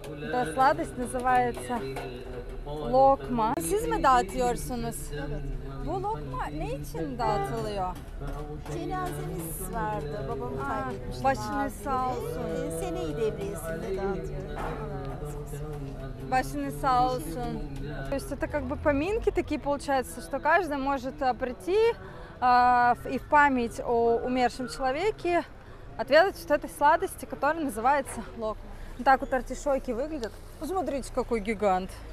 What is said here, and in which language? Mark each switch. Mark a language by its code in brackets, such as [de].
[ru] Та сладость называется локма. [tr] Siz mi dağıtıyorsunuz? Evet. Bu lokma ne için dağıtılıyor? Cenazemiz vardı. Babam kaybetmişti. Başınız sağ olsun. Seneyi devriyesinde dağıtıyoruz. Başınız sağ olsun. [ru] То есть это как бы поминки такие получается, что каждый может прийти и в память о умершем человеке отведать вот этой сладости, которая называется локма. Так вот артишоки выглядят. Посмотрите, какой гигант.